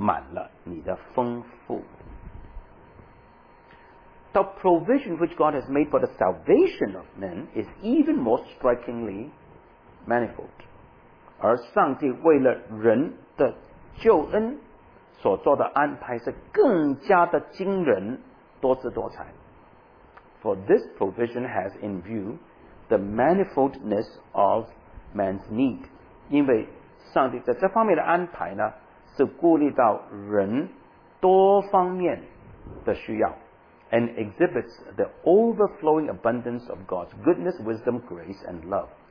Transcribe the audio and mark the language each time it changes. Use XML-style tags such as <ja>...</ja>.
<zh>24节,诗人这样赞叹,耶和华啊,你所造的何其多,都是你用智慧造成的,遍地满了你的丰富。</zh> <en>The provision which God has made for the salvation of men is even more strikingly manifold.</en> <zh>而上帝为了人的救恩所做的安排是更加的惊人,多姿多彩.</zh> <en>For this provision has in view the manifoldness of man's need.</en> <zh>因为上帝在这方面的安排呢,是顾虑到人多方面的需要。</zh> <en>And exhibits the overflowing abundance of God's goodness, wisdom, grace, and love.</en>